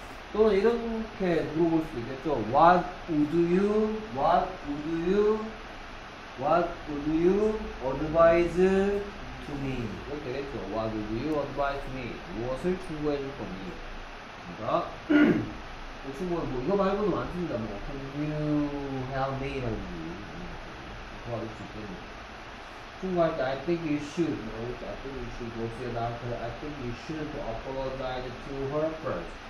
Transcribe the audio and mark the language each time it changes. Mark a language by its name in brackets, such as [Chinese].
[Korean] 또는 이렇게 물어볼 수도 있겠죠. [English] What would you, what would you, what would you advise to me? [Korean] 이렇게 되겠죠. [English] What would you advise to me? [Korean] 무엇을 충고해줄 거니? 그러니까, 그 충고는 뭐, 이거 말고도 많습니다. 뭐, [English] can you help me? [Korean] 라든지, 도와줄 수 있겠네. 충고할 때 [English] I think you should, no, I think you should go see a doctor. I think you should apologize to her first.